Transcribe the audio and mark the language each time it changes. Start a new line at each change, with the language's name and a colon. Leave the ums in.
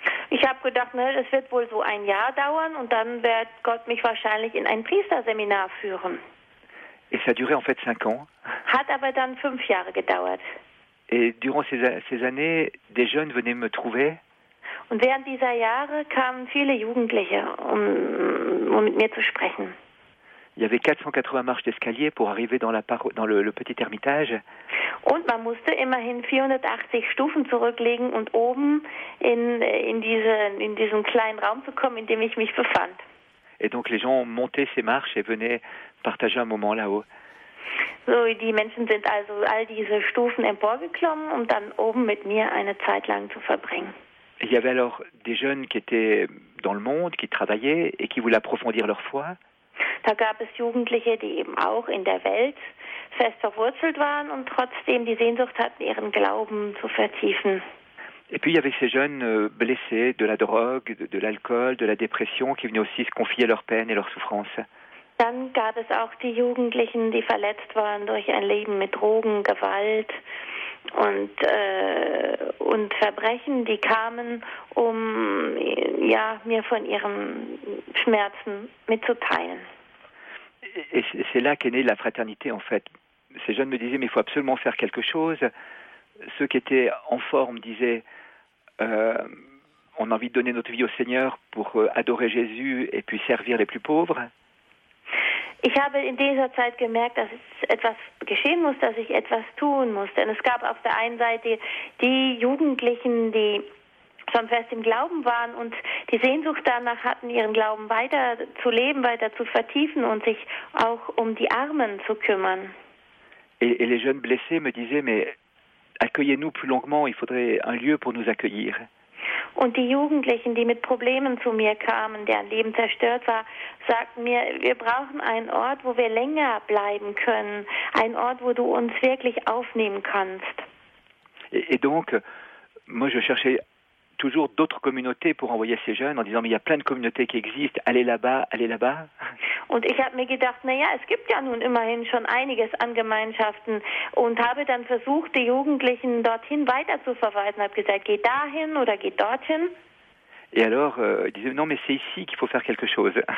German: Ich habe gedacht, ne, es wird wohl so ein Jahr dauern und dann wird Gott mich wahrscheinlich in ein Priesterseminar führen.
French: Et ça a duré en fait cinq ans.
German: Hat aber dann fünf Jahre gedauert.
French: Et durant ces, a- ces années, des jeunes venaient me trouver
German: Und während dieser Jahre kamen viele Jugendliche, um, um mit mir zu sprechen.
French: Il y avait 480 marches d'escalier pour arriver dans, la paro- dans le, le petit ermitage.
German: Und man musste immerhin 480 Stufen zurücklegen und oben in, in, diese, in diesen kleinen Raum zu kommen, in dem ich mich befand.
French: Et donc les gens montaient ces marches et venaient partager un moment là-haut.
German: So, die Menschen sind also all diese Stufen emporgeklommen, um dann oben mit mir eine Zeit lang zu verbringen.
French: Et Il y avait alors des jeunes qui étaient dans le monde, qui travaillaient et qui voulaient approfondir leur foi.
German: Da gab es Jugendliche, die eben auch in der Welt fest verwurzelt waren und trotzdem die Sehnsucht hatten, ihren Glauben zu vertiefen.
French: Et puis il y avait ces jeunes euh, blessés de la drogue, de, de l'alcool, de la dépression qui venaient aussi se confier leurs peines et leurs souffrances.
German: Dann gab es auch die Jugendlichen, die verletzt waren durch ein Leben mit Drogen, Gewalt und, äh, und Verbrechen, die kamen, um ja, mir von ihren Schmerzen mitzuteilen.
French: Et, et c'est- c'est là qu'est née la fraternité en fait. Ces jeunes me disaient mais il faut absolument faire quelque chose. Ceux qui étaient en forme disaient euh, on a envie de donner notre vie au Seigneur pour euh, adorer Jésus et puis servir les plus pauvres.
German: Ich habe in dieser Zeit gemerkt, dass es etwas geschehen muss, dass ich etwas tun muss. Denn es gab auf der einen Seite die Jugendlichen, die schon fest im Glauben waren und die Sehnsucht danach hatten, ihren Glauben weiter zu leben, weiter zu vertiefen und sich auch um die Armen zu kümmern.
French: Et, et les jeunes blessés me disaient mais accueillez-nous plus longuement, il faudrait un lieu pour nous accueillir.
German: Und die Jugendlichen, die mit Problemen zu mir kamen, deren Leben zerstört war, sagten mir, wir brauchen einen Ort, wo wir länger bleiben können, einen Ort, wo du uns wirklich aufnehmen kannst.
French: Et, et donc, moi, je cherchais toujours d'autres communautés pour envoyer ces jeunes en disant, mais il y a plein de communautés qui existent, allez là-bas, allez là-bas.
German: Und ich habe mir gedacht, naja, es gibt ja nun immerhin schon einiges an Gemeinschaften und habe dann versucht, die Jugendlichen dorthin weiter zu verweisen. Habe gesagt, geht dahin oder geht dorthin.
French: Et alors, euh, ils disaient, non, mais c'est ici qu'il faut faire quelque chose.